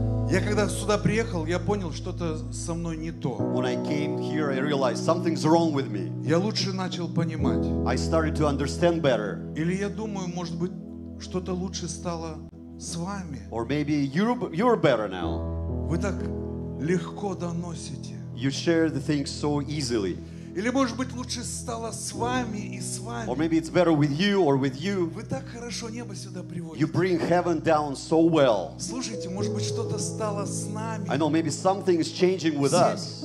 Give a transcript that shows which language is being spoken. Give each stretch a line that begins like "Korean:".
Russian: Я когда сюда приехал, я понял, что-то со мной не то.
English: When I came here, I realized something's wrong with me.
Russian: Я лучше начал понимать.
English: I started to understand better.
Russian: Или я думаю, может быть, что-то лучше стало с вами.
English: Or maybe you're better now.
Russian: Вы так легко доносите.
English: You share the things so easily.
Russian: Или, может быть, лучше стало с вами и с вами.
English: Or maybe it's better with you or with you.
Russian: Вы так хорошо небо сюда приводите.
English: You bring heaven down so well.
Russian: Слушайте, может быть, что-то стало с нами.
English: I know, maybe something is changing with us.